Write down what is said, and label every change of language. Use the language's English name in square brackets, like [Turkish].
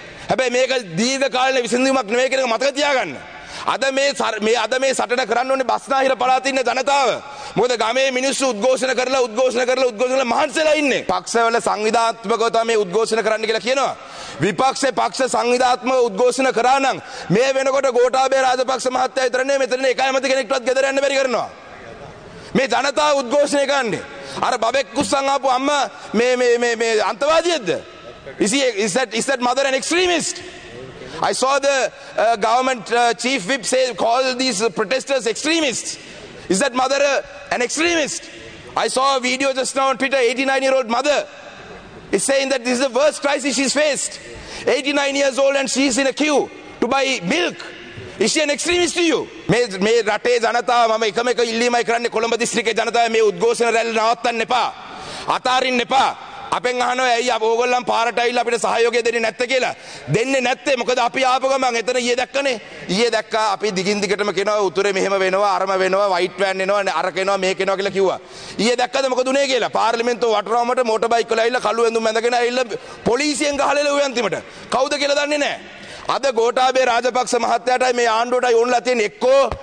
[Sinhala] හැබැයි මේක දීර්ඝ කාලීන විසඳුමක් නෙවෙයි කියන එක මතක තියාගන්න අද මේ අද මේ සටන කරන්න ඕනේ බස්නාහිර පළාතේ ඉන්න ජනතාව මොකද ගමේ මිනිස්සු උද්ඝෝෂණ කරලා උද්ඝෝෂණ කරලා උද්ඝෝෂණ කරලා මහන්සිලා ඉන්නේ පක්ෂවල සංවිධානාත්මකව තමයි මේ උද්ඝෝෂණ කරන්න කියලා කියනවා විපක්ෂේ පක්ෂ සංවිධානාත්මකව උද්ඝෝෂණ කරා නම් මේ වෙනකොට ගෝඨාභය රාජපක්ෂ මහත්තයා විතර නෙමෙයි මෙතන එකයි මත කෙනෙක්වත් ගෙදර යන්න බැරි කරනවා මේ ජනතාව උද්ඝෝෂණය කරන්නේ අර බබෙක් කුස්සන් ආපු අම්මා මේ මේ මේ මේ අන්තවාදියෙක්ද [English] is that mother an extremist I saw the government chief whip say call these protesters extremists. Is that mother an extremist? I saw a video just now on Twitter, 89-year-old mother is saying that this is the worst crisis she's faced. 89 years old and she's in a queue to buy milk. Is she an extremist to you? [Sinhala] මේ රටේ ජනතාව මම එකම එක ඉල්ලීමයි කරන්නේ කොළඹ දිස්ත්‍රික්කයේ ජනතාව මේ උද්ඝෝෂණ රැලි නවත්තන්න එපා. අතාරින්න එපා. අපෙන් අහනවා ඇයි ඕගොල්ලන් පාරට ඇවිල්ලා අපිට සහයෝගය දෙන්නේ නැත්තේ කියලා දෙන්නේ නැත්තේ මොකද අපි ආපු ගමන් එතන ඊයේ දැක්කනේ ඊයේ දැක්කා අපි දිගින් දිගටම කියනවා උතුරේ මෙහෙම වෙනවා අරම වෙනවා වයිට් වෑන් එනවා අර කෙනවා මේ කෙනවා කියලා කිව්වා ඊයේ දැක්කද මොකද උනේ කියලා පාර්ලිමේන්තුව වටරවමට මෝටර් බයික් වල ඇවිල්ලා කළු ඇඳුම් ඇඳගෙන ඇවිල්ලා පොලිසියෙන් ගහලලා ඌ අන්තිමට කවුද කියලා දන්නේ නැහැ අද ගෝඨාභය රාජපක්ෂ මහත්තයාටයි මේ ආණ්ඩුවටයි ඕනලා තියෙන එක්කෝ